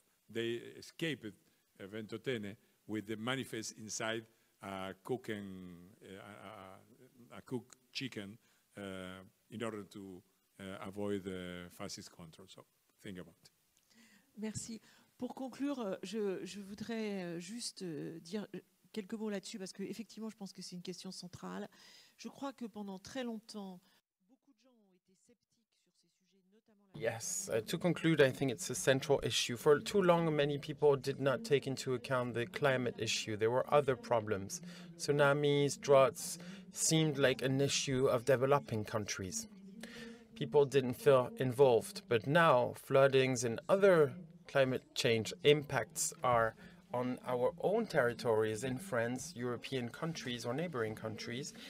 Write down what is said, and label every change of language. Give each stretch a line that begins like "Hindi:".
English: They escaped Ventotene with the manifest inside a cooked chicken in order to avoid the fascist control. So think about it.
French: Merci. Pour conclure, je voudrais juste dire quelques mots là-dessus, parce que effectivement, je pense que c'est une question centrale. Je crois que pendant très longtemps, beaucoup de gens ont été sceptiques sur ces sujets, notamment...
English: Yes, to conclude, I think it's a central issue. For too long, many people did not take into account the climate issue. There were other problems. Tsunamis, droughts seemed like an issue of developing countries. People didn't feel involved, but now floodings and other climate change impacts are on our own territories in France, European countries or neighboring countries.